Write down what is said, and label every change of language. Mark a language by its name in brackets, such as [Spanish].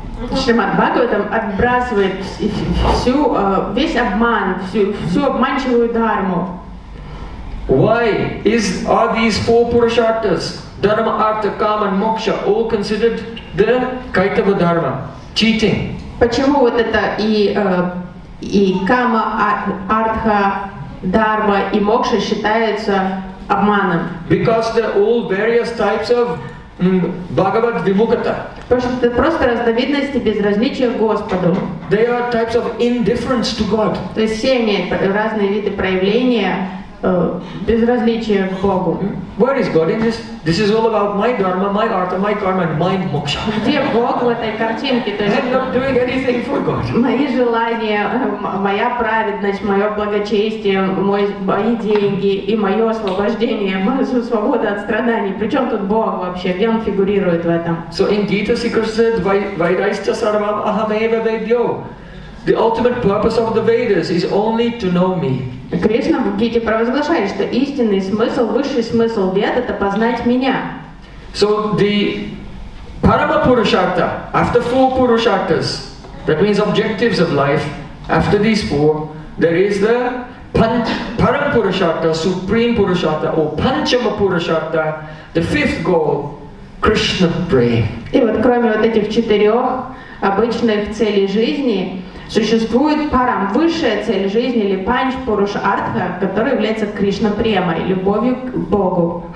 [Russian] Srimad Bhagavatam отбрасывает всю, весь обман, всю обманчивую дхарму. [English] Why are these four Purusharthas, Dharma, Artha, Kama and Moksha, all considered the Kaitava Dharma, cheating? [Russian] Почему вот это и Кама, Артха, Дхарма и Мокша считаются обманом? [English] Because they're all various types of Bhagavad Vimukata. [Russian] Потому что это просто разновидности безразличия к Господу. [English] They are types of indifference to God. [Russian] То есть все они разные виды проявления безразличия к Богу. [English] Where is God in this? This is all about my dharma, my artha, my karma, and my moksha. [Russian] Где Бог в этой картинке? То есть [English] I'm not doing anything for God. [Russian] Мои желания, моя праведность, мое благочестие, мои деньги и мое освобождение, моя свобода от страданий. Причем тут Бог вообще? Где он фигурирует в этом? [English] So in Gita, Sikhar said, [Sanskrit] Vairaischa sarvam aham eva vedyo. [English] The ultimate purpose of the Vedas is only to know me. [Russian] Кришна в Гите провозглашает, что истинный смысл, высший смысл Вед — это познать меня. [English] So the Parama Purusharta, after four Purusharthas, that means objectives of life, after these four, there is the Parama Purusharta, Supreme Purusharta, or Panchama Purusharta, the fifth goal, Krishna Prem. [Russian] И вот кроме вот этих четырех обычных целей жизни, существует парам, высшая цель жизни, или панч пуруш артха, которая является Кришна према, любовью к Богу.